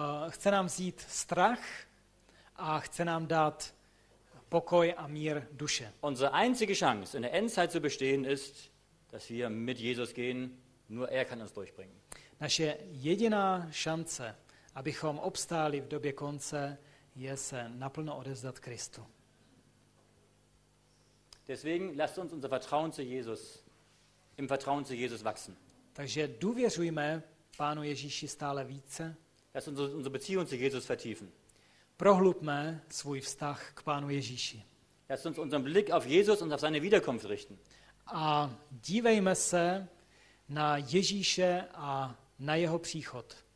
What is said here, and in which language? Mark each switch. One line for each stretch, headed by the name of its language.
Czech: Chce nám vzít strach a chce nám dát pokoj a mír duše.
German: Unsere einzige Chance in der Endzeit zu bestehen ist, dass wir mit Jesus gehen, nur er kann uns durchbringen.
Czech: Naše jediná šance, abychom obstáli v době konce, je se naplno odevzdat Kristu.
German: Deswegen lasst uns unser Vertrauen zu Jesus, im Vertrauen zu Jesus wachsen.
Czech: Takže důvěřujme Pánu Ježíši stále více.
German: Lasst uns unsere Beziehung zu Jesus vertiefen.
Czech: Prohlubme svůj vztah k Pánu Ježíši.
German: Lasst uns unseren Blick auf Jesus und auf seine Wiederkunft richten.
Czech: A dívejme se na Ježíše a na jeho příchod.